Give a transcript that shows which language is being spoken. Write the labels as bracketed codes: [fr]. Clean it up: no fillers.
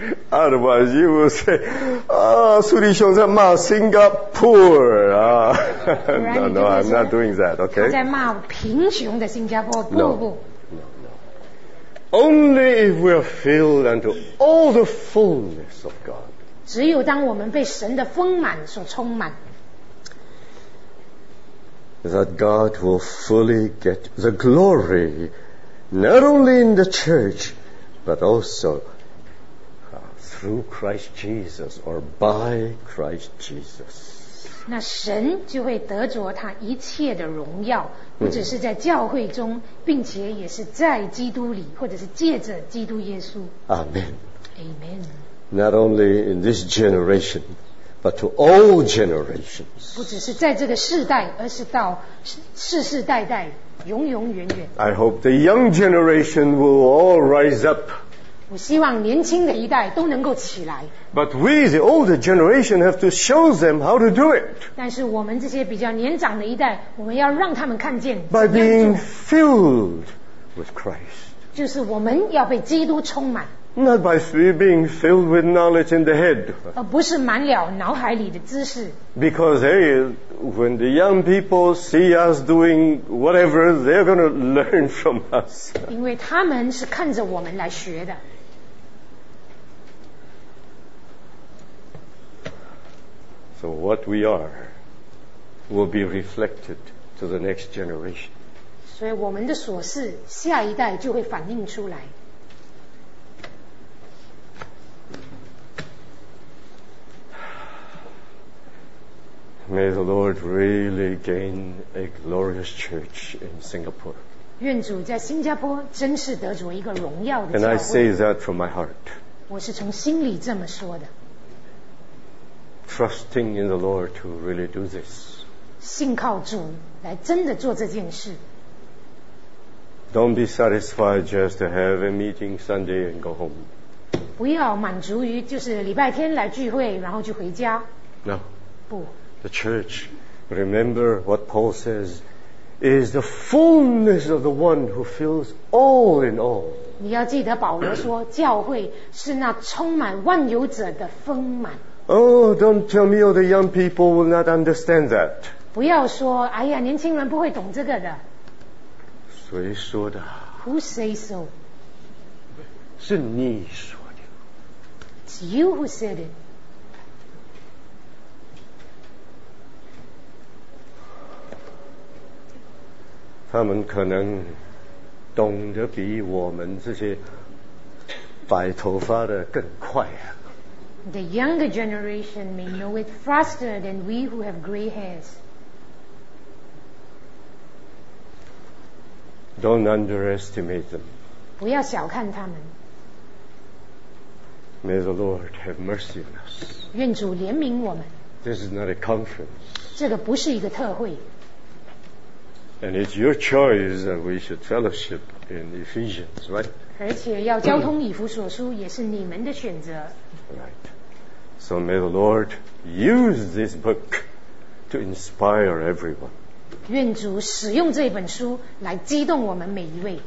[en] Otherwise, you will say, "Ah, [zh] 苏弟兄在骂 [en] Singapore." No, no, I'm not doing that. Okay. [zh] 他在骂贫穷的新加坡。 No. [en] Only if we are filled unto all the fullness of God. [zh] 只有当我们被神的丰满所充满。 [en] that God will fully get the glory, not only in the church, but also through Christ Jesus or by Christ Jesus. [zh] 那神就会得着他一切的荣耀，不只是在教会中，并且也是在基督里，或者是借着基督耶稣。 [en] Amen. Amen. Not only in this generation, but to all generations. [zh] 不只是在这个世代，而是到世世代代，永永远远。 [en] I hope the young generation will all rise up. [zh] 我希望年轻的一代都能够起来。 [en] But we, the older generation, have to show them how to do it. [zh] 但是我们这些比较年长的一代，我们要让他们看见。 [en] By being filled with Christ. [zh] 就是我们要被基督充满。 [en] Not by being filled with knowledge in the head. [zh] 而不是满了脑海里的知识。 [en] Because hey, when the young people see us doing whatever, they're going to learn from us. [zh] 因为他们是看着我们来学的。 [en] So what we are will be reflected to the next generation. [zh] 所以我们的所事，下一代就会反映出来。 [en] May the Lord really gain a glorious church in Singapore. [zh] 愿主在新加坡真是得着一个荣耀的教会。 [en] And I say that from my heart. [zh] 我是从心里这么说的。 [en] Trusting in the Lord to really do this. [zh] 信靠主来真的做这件事。 [en] Don't be satisfied just to have a meeting Sunday and go home. [zh] 不要满足于就是礼拜天来聚会，然后就回家。 [en] No. [zh] 不。 [en] The church, remember what Paul says, is the fullness of the one who fills all in all. [zh] 你要记得保罗说，教会是那充满万有者的丰满。 [en] Oh, don't tell me all the young people will not understand that. [zh] 不要说，哎呀，年轻人不会懂这个的。谁说的？ [en] Who say so? [zh] 是你说的。 [en] It's you who said it. [zh] 他们可能懂得比我们这些白头发的更快啊。 [en] The younger generation may know it faster than we who have gray hairs. Don't underestimate them. [zh] 不要小看他们。 [en] May the Lord have mercy on us. [zh] 愿主怜悯我们。 [en] This is not a conference. [zh] 这个不是一个特会。 [en] And it's your choice that we should fellowship in Ephesians, right? [zh] 而且要交通以弗所书也是你们的选择。 [en] Right. So may the Lord use this book to inspire everyone. [zh] 愿主使用这本书来激动我们每一位。